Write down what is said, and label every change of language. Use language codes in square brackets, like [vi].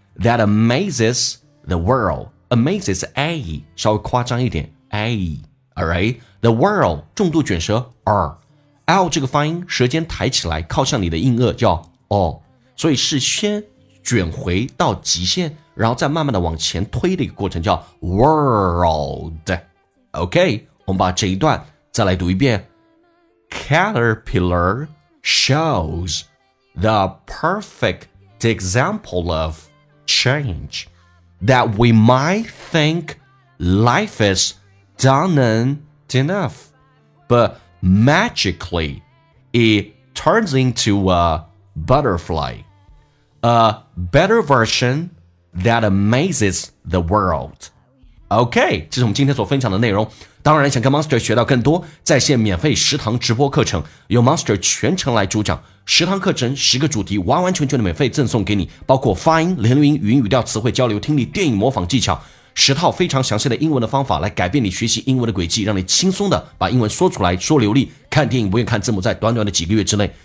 [en] That amazes the world， amazes a [zh] 稍微夸张一点 [en] a， alright， the world [zh] 重度卷舌 r， l 这个发音舌尖抬起来靠向你的硬腭叫 o， 所以是先卷回到极限，然后再慢慢的往前推的一个过程，叫 world。 OK，我们把这一段再来读一遍。 [en] Caterpillar shows the perfect example of change that we might think life is done and enough, but magically it turns into a butterfly, a better version that amazes the world. [zh] OK, 这是我们今天所分享的内容。当然想跟 Monster 学到更多在线免费十堂直播课程，由 Monster 全程来主讲，十堂课程十个主题完完全全的免费赠送给你，包括发音、连读音、语音语调、词汇交流、听力、电影模仿技巧，十套非常详细的英文的方法来改变你学习英文的轨迹，让你轻松的把英文说出来说流利，看电影不用看字幕，在短短的几个月之内。